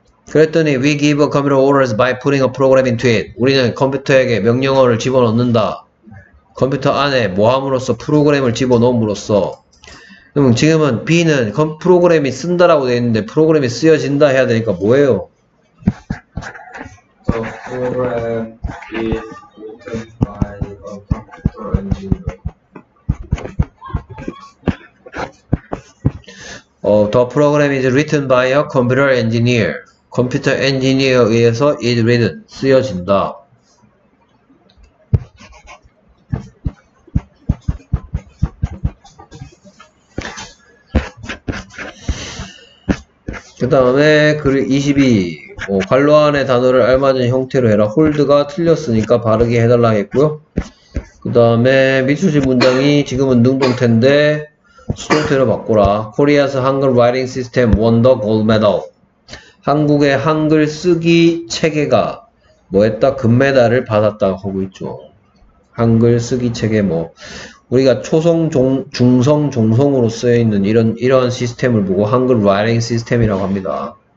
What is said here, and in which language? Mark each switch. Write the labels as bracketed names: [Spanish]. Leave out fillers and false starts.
[Korean] 그랬더니 [English] 'We give a computer orders by putting a program into it.' [Korean] 우리는 컴퓨터에게 명령어를 집어넣는다. 컴퓨터 안에 뭐함으로써 프로그램을 집어넣음으로써. 그럼 지금은 B는 프로그램이 쓴다라고 되어 있는데 프로그램이 쓰여진다 해야 되니까 뭐예요? [English] The program is written by a computer engineer. The program is written by a computer engineer. [Korean] 컴퓨터 엔지니어에 의해서 [English] is written, [Korean] 쓰여진다. 그 다음에 22 괄호 안에 단어를 알맞은 형태로 해라. 홀드가 틀렸으니까 바르게 해달라 했고요. 그 다음에 미술실 문장이 지금은 능동태인데 수동태로 바꾸라. [English] Korea's Hangul Writing System won the gold medal. [Korean] 한국의 한글 쓰기 체계가 뭐했다? 금메달을 받았다고 하고 있죠. 한글 쓰기 체계 뭐 우리가 초성, 중성, 종성으로 쓰여있는 이런 시스템을 보고 한글 라이팅 시스템이라고 합니다.